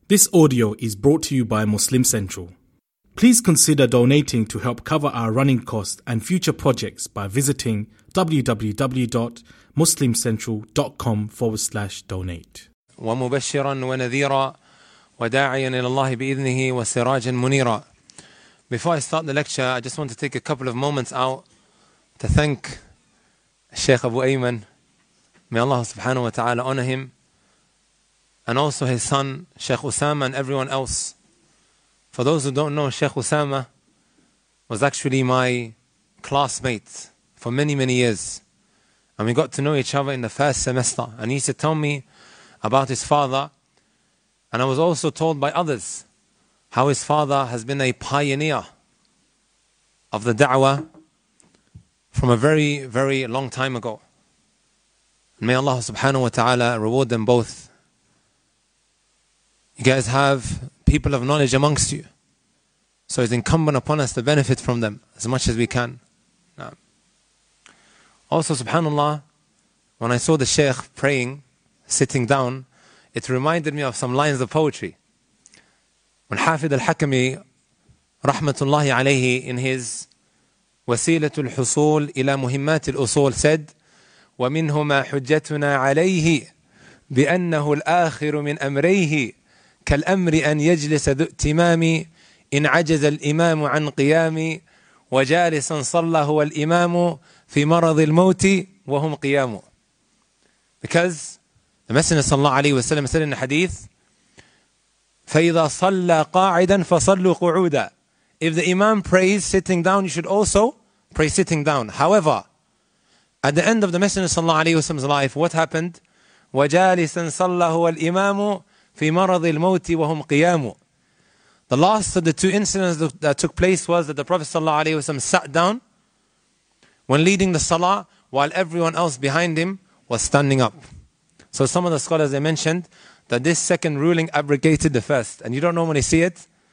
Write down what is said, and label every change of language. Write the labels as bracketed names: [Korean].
[English] This audio is brought to you by Muslim Central. Please consider donating to help cover our running costs and future projects by visiting www.muslimcentral.com/donate. [Arabic] ومبشرا ونذيرا وداعيا الى الله باذنه وسراجا منيرا. [English] Before I start the lecture, I just want to take a couple of moments out to thank Sheikh Abu Ayman. May Allah subhanahu wa ta'ala honor him. And also his son, Sheikh Usama, and everyone else. For those who don't know, Sheikh Usama was actually my classmate for many, many years. And we got to know each other in the first semester. And he used to tell me about his father. And I was also told by others how his father has been a pioneer of the da'wah from a very, very long time ago. And may Allah subhanahu wa ta'ala reward them both. You guys have people of knowledge amongst you. So it's incumbent upon us to benefit from them as much as we can. Also, subhanAllah, when I saw the Shaykh praying, sitting down, it reminded me of some lines of poetry. When Hafid al-Hakami, rahmatullahi alayhi, in his Wasilatu al-Husul ila Muhimmat al-Usul said, [Arabic] وَمِنْهُمَا حُجَّتُنَا عَلَيْهِ بِأَنَّهُ الْآخِرُ مِنْ أَمْرَيْهِ كالأمر أن يجلس ذو اتمام إن عجز الإمام عن قيام وجالسا صلى هو الإمام في مرض الموت وهم قيام. [English] Because the Messenger صلى الله عليه وسلم said in the hadith, [Arabic] فإذا صلى قاعدا فصلوا قعودا. [English] If the Imam prays sitting down, you should also pray sitting down. However, at the end of the Messenger صلى الله عليه وسلم's life, what happened? [Arabic] وجالسا صلى هو الإمام في مرض الموت وهم قيام. [English] The last of the two incidents that took place was that the Prophet sallallahu alaihi wasallam sat down when leading the salah while everyone else behind him was standing up. So some of the scholars, they mentioned that this second ruling abrogated the first, and you don't normally see it.